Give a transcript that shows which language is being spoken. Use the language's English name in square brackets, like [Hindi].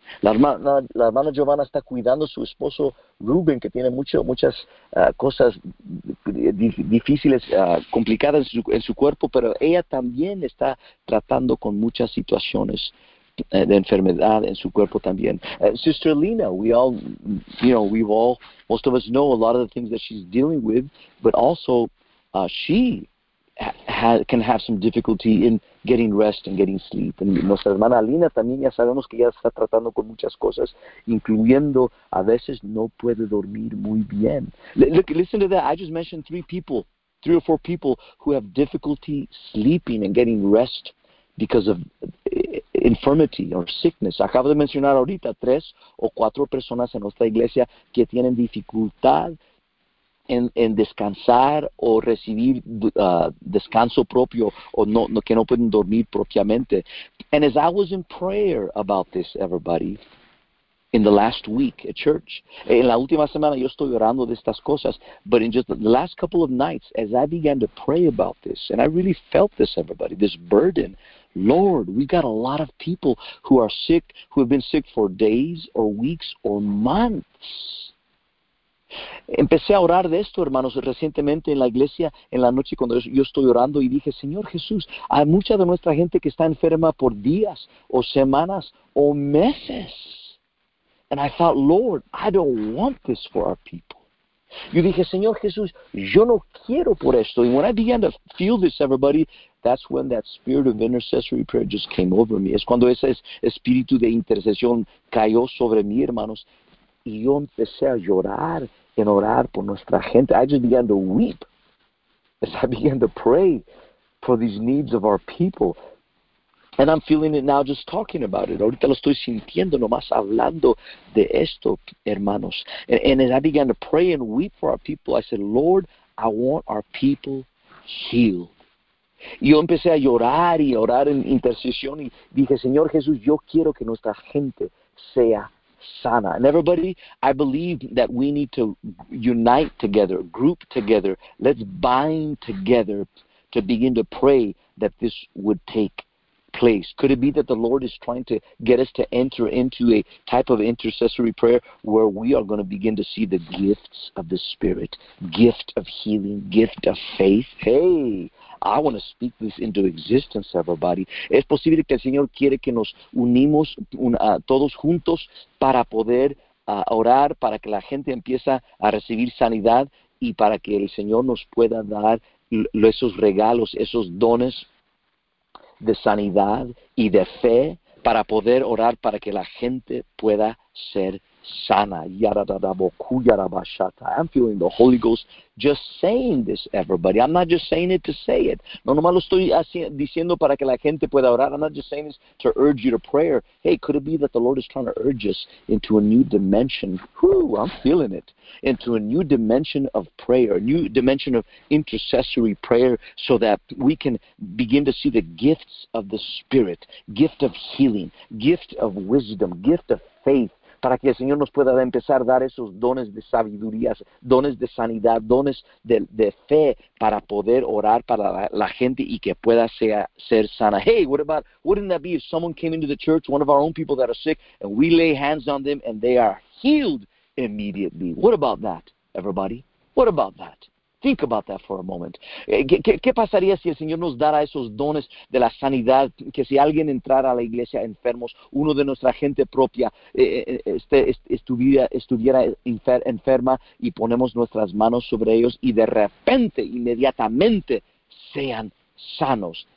[Spanish] La hermana Giovanna está cuidando a su esposo Rubén, que tiene muchas cosas difíciles, complicadas en su cuerpo, pero ella también está tratando con muchas situaciones de enfermedad en su cuerpo también. [English] Sister Lena, most of us know a lot of the things that she's dealing with, but also she can have some difficulty in getting rest and getting sleep. [Spanish] Y nuestra hermana Lina también ya sabemos que ya está tratando con muchas cosas, incluyendo a veces no puede dormir muy bien. [English] Look, listen to that. I just mentioned three or four people who have difficulty sleeping and getting rest because of infirmity or sickness. [Spanish] Acabo de mencionar ahorita tres o cuatro personas en nuestra iglesia que tienen dificultad en descansar o recibir descanso propio o no que no pueden dormir propiamente. [English] And as I was in prayer about this, everybody, in the last week at church, [Spanish] en la última semana yo estoy orando de estas cosas, [English] but in just the last couple of nights, as I began to pray about this, and I really felt this, everybody, this burden, Lord, we've got a lot of people who are sick, who have been sick for days or weeks or months. [Spanish] Empecé a orar de esto, hermanos, recientemente en la iglesia, en la noche cuando yo estoy orando y dije, Señor Jesús, hay mucha de nuestra gente que está enferma por días o semanas o meses. [English] And I thought, Lord, I don't want this for our people. [Spanish] Yo dije, Señor Jesús, yo no quiero por esto. [English] And when I began to feel this, everybody, that's when that spirit of intercessory prayer just came over me. [Spanish] Es cuando ese espíritu de intercesión cayó sobre mí, hermanos. Y yo empecé a llorar en orar por nuestra gente. [English] I just began to weep as I began to pray for these needs of our people. And I'm feeling it now just talking about it. [Spanish] Ahorita lo estoy sintiendo nomás hablando de esto, hermanos. [English] And as I began to pray and weep for our people, I said, Lord, I want our people healed. [Spanish] Y yo empecé a llorar y a orar en intercesión y dije, Señor Jesús, yo quiero que nuestra gente sea sana. [English] And everybody, I believe that we need to unite together, group together. Let's bind together to begin to pray that this would take place. Could it be that the Lord is trying to get us to enter into a type of intercessory prayer where we are going to begin to see the gifts of the Spirit, gift of healing, gift of faith? Hey, I want to speak this into existence, everybody. [Spanish] Es posible que el Señor quiere que nos unimos todos juntos para poder orar, para que la gente empiece a recibir sanidad y para que el Señor nos pueda dar esos regalos, esos dones de sanidad y de fe para poder orar para que la gente pueda ser sana. [English] I'm feeling the Holy Ghost just saying this, everybody. I'm not just saying it to say it. [Spanish] No, nomás lo estoy diciendo para que la gente pueda orar. [English] I'm not just saying this to urge you to prayer. Hey, could it be that the Lord is trying to urge us into a new dimension? Whoo, I'm feeling it. Into a new dimension of prayer, a new dimension of intercessory prayer, so that we can begin to see the gifts of the Spirit, gift of healing, gift of wisdom, gift of faith. [Spanish] Para que el Señor nos pueda empezar a dar esos dones de sabiduría, dones de sanidad, dones de fe para poder orar para la gente y que pueda ser sana. [English] Hey, wouldn't that be if someone came into the church, one of our own people that are sick, and we lay hands on them and they are healed immediately? What about that, everybody? What about that? Think about that for a moment. [Spanish] ¿Qué pasaría si el Señor nos dara esos dones de la sanidad? Que si alguien entrara a la iglesia enfermos, uno de nuestra gente propia estuviera enferma y ponemos nuestras manos sobre ellos y de repente, inmediatamente, sean sanos.